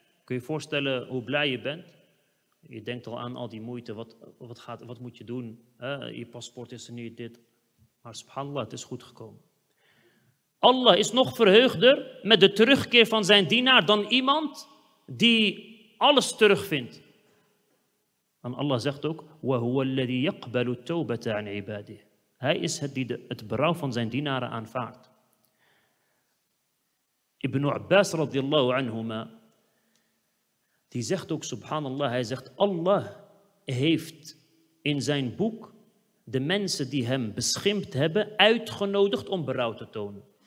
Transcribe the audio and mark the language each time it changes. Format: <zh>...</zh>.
<nl>Kun je je voorstellen hoe blij je bent? Je denkt al aan al die moeite. Wat moet je doen? Je paspoort is er niet, dit. Maar subhanallah, het is goed gekomen. Allah is nog verheugder met de terugkeer van zijn dienaar dan iemand die alles terugvindt. En Allah zegt ook:</nl> <ar>وَهُوَ الَّذِي يَقْبَلُ التَّوْبَةَ عَنْ عِبَادِهِ.</ar> <nl>Hij is het die het berouw van zijn dienaren aanvaardt. Ibn Abbas radiyallahu anhuma, die zegt ook, subhanallah, hij zegt, Allah heeft in zijn boek de mensen die hem beschimpt hebben uitgenodigd om berouw te tonen.</nl>